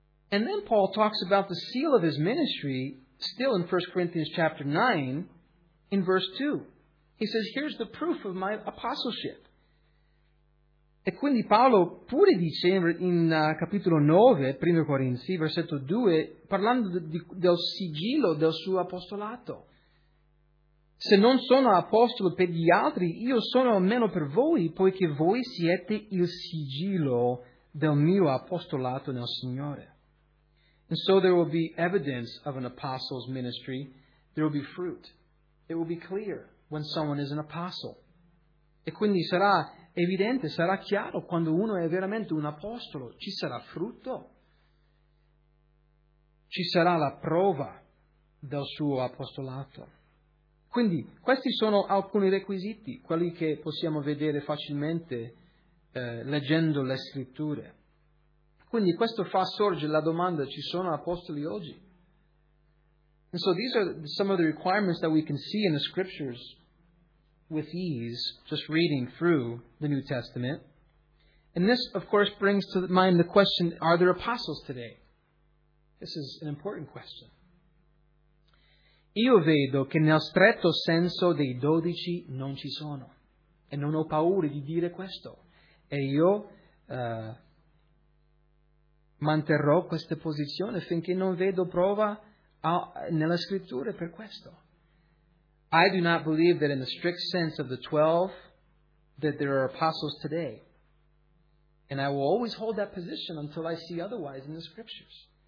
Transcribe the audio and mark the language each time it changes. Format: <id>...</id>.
<en>And then Paul talks about the seal of his ministry, still in 1 Corinthians chapter 9, in verse 2. He says, here's the proof of my apostleship.</en> <it>E quindi Paolo pure dice in capitolo 9, 1 Corinzi, versetto 2, parlando del sigillo del suo apostolato. Se non sono apostolo per gli altri, io sono almeno per voi, poiché voi siete il sigillo del mio apostolato nel Signore.</it> <en>And so there will be evidence of an apostle's ministry. There will be fruit. It will be clear when someone is an apostle.</en> <it>E quindi sarà evidente, sarà chiaro quando uno è veramente un apostolo. Ci sarà frutto. Ci sarà la prova del suo apostolato. Quindi, questi sono alcuni requisiti, quelli che possiamo vedere facilmente leggendo le scritture. Quindi questo fa sorgere la domanda, ci sono apostoli oggi?</it> <en>And so these are some of the requirements that we can see in the scriptures with ease, just reading through the New Testament. And this, of course, brings to mind the question, are there apostles today? This is an important question.</en> <it>Io vedo che nel stretto senso dei dodici non ci sono. E non ho paura di dire questo. E io manterrò questa posizione finché non vedo prova nella scrittura per questo.</it> <en>I do not believe that in the strict sense of the 12 that there are apostles today. And I will always hold that position until I see otherwise in the scriptures.</en>